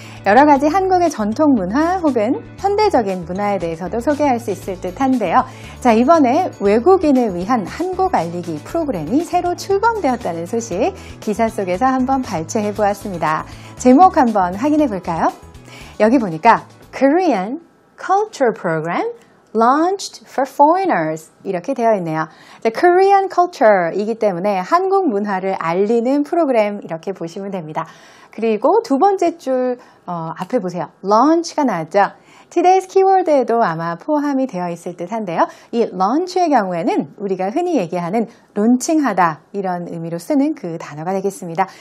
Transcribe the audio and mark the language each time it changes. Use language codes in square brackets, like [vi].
[ko] 여러 가지 한국의 전통 문화 혹은 현대적인 문화에 대해서도 소개할 수 있을 듯 한데요. 자, 이번에 외국인을 위한 한국 알리기 프로그램이 새로 출범되었다는 소식 기사 속에서 한번 발췌해보았습니다. 제목 한번 확인해볼까요? 여기 보니까 [en] Korean Culture Program Launched for Foreigners [ko] 이렇게 되어 있네요. [en] The Korean Culture [ko] 이기 때문에 한국 문화를 알리는 프로그램 이렇게 보시면 됩니다. 그리고 두 번째 줄 앞에 보세요. Launch가 나왔죠. [en] Today's keyword [ko] 에도 아마 포함이 되어 있을 듯 한데요. 이 launch의 경우에는 우리가 흔히 얘기하는 론칭하다 이런 의미로 쓰는 그 단어가 되겠습니다.